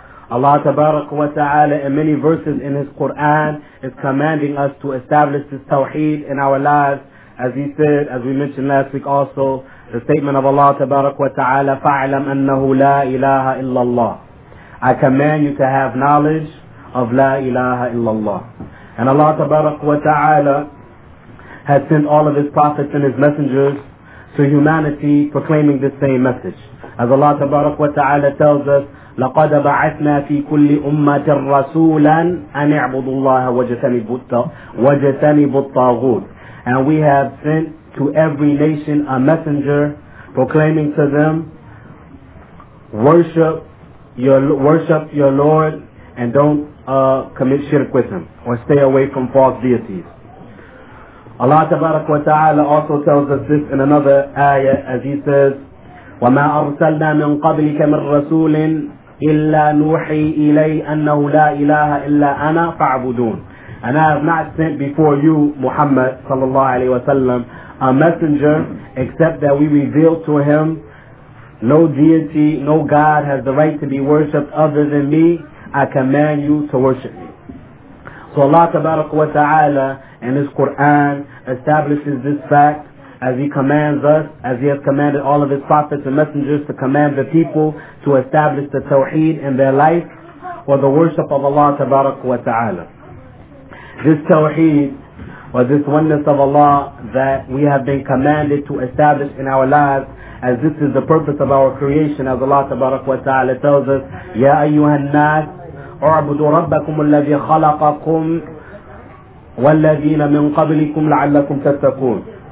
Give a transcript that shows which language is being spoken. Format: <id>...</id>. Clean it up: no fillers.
<en>Allah tabarak wa ta'ala in many verses in His Quran is commanding us to establish this tawheed in our lives, as He said, as we mentioned last week also, the statement of Allah tabarak wa ta'ala,</en> <ar>فَاعْلَمْ أَنَّهُ لَا إِلَهَ إِلَّا اللَّهِ.</ar> <en>I command you to have knowledge of La ilaha illallah. And Allah tabarak wa ta'ala has sent all of His prophets and His messengers to humanity proclaiming this same message. As Allah tabarak wa ta'ala tells us,</en> <ar>لَقَدَ بَعَثْنَا فِي كُلِّ أُمَّةٍ رَسُولًا أَنِ اعْبُدُ اللَّهَ وَجَتَنِبُ الطَّاغُوتِ.</ar> <en>And we have sent to every nation a messenger proclaiming to them, worship your Lord and don't commit shirk with Him, or stay away from false deities. Allah tabarak wa ta'ala also tells us this in another ayah, as He says,</en> <ar>وَمَا أَرْسَلْنَا مِنْ قَبْلِكَ مِنْ رَسُولٍ إِلَّا نُوحِي إِلَيْهِ أَنَّهُ لَا إِلَهَ إِلَّا أَنَا فَاعْبُدُونَ.</ar> <en>And I have not sent before you, Muhammad sallallahu alayhi wa sallam, a messenger except that we reveal to him no deity, no god has the right to be worshipped other than me. I command you to worship me. So Allah tabarak wa ta'ala in His Quran establishes this fact as He commands us, as He has commanded all of His prophets and messengers to command the people to establish the tawheed in their life, or the worship of Allah tabarak wa ta'ala. This tawheed, or this oneness of Allah that we have been commanded to establish in our lives, as this is the purpose of our creation, as Allah tabarak wa ta'ala tells us,</en> <ar>يَا أَيُّهَا النَّاسِ اُعْبُدُوا رَبَّكُمُ الَّذِي خَلَقَكُمْ والذين من قبلكم لعلكم تتقون.</ar>